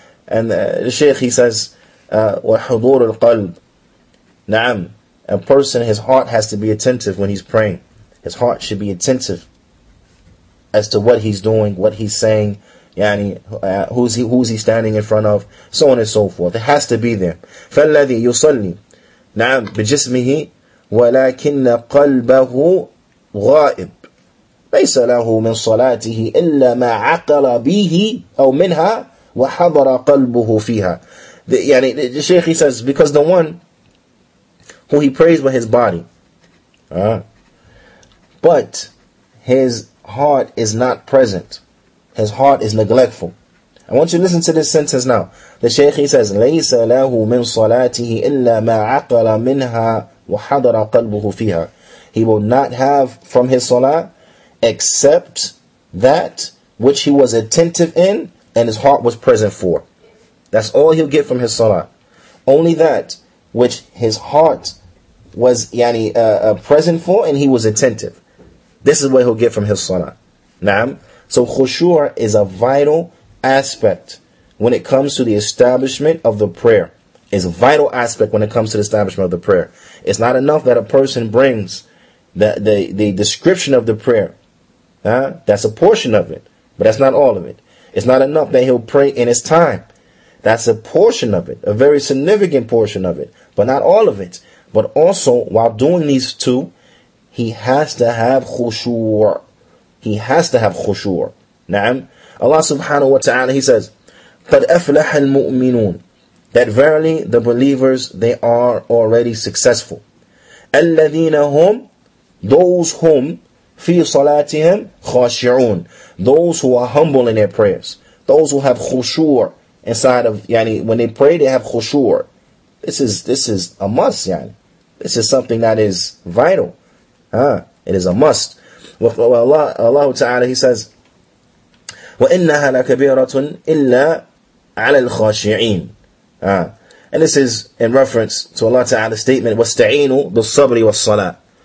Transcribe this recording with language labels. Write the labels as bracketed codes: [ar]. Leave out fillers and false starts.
[en] And the Shaykh, he says, وحضور القلب. [ar] نعم. [en] A person, his heart has to be attentive when he's praying. His heart should be attentive as to what he's doing, what he's saying, who's he standing in front of, so on and so forth. It has to be there. [ar] فالذي يصلي نعم بجسمه ولكن قلبه غائب ليس له من صلاته إلا ما عقل به أو منها وحضر قلبه فيها. [en] The Shaykh, he says, because the one who he prays with his body, but his heart is not present, his heart is neglectful. I want you to listen to this sentence now. [ar] The Shaykh, he says, لَيْسَ لَهُ مِنْ صَلَاتِهِ إِلَّا مَا عَقَلَ مِنْهَا وَحَضَرَ قَلْبُهُ فِيهَا. [en] He will not have from his salah except that which he was attentive in and his heart was present for. That's all he'll get from his salah. Only that which his heart was present for and he was attentive. This is what he'll get from his salah. Naam. So khushu' is a vital aspect when it comes to the establishment of the prayer. It's a vital aspect when it comes to the establishment of the prayer. It's not enough that a person brings the description of the prayer. That's a portion of it, but that's not all of it. It's not enough that he'll pray in his time. That's a portion of it, a very significant portion of it, but not all of it. But also, while doing these two, he has to have khushu'. He has to have khushu'. Na'am. Allah subhanahu wa ta'ala, he says, قَدْ أَفْلَحَ الْمُؤْمِنُونَ. That verily the believers, they are already successful. [ar] أَلَّذِينَ هُمْ. Those whom فِي صَلَاتِهِمْ خَاشِعُونَ. [en] Those who are humble in their prayers. Those who have khushu'. Inside of, when they pray, they have khushu'. This is a must, This is something that is vital. It is a must. [ar] Allah Ta'ala, he says, وَإِنَّهَا لَكَبِيرَةٌ إِلَّا عَلَى الْخَاشِعِينَ. [en] And this is in reference to Allah Ta'ala's statement, وَاسْتَعِينُوا بِالصَّبْرِ وَالصَّلَاةِ.